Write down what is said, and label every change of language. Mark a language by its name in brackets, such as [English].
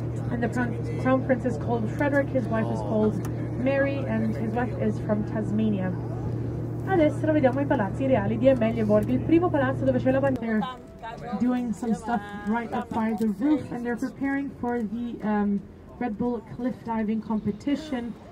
[English] And the crown prince is called Frederick, his wife is called Mary, and his wife is from Tasmania. [Italian] Adesso vediamo I palazzi reali di Amelieborg, il primo palazzo dove c'è la bandiera. [English] Doing some stuff right up by the roof, and they're preparing for the Red Bull cliff diving competition.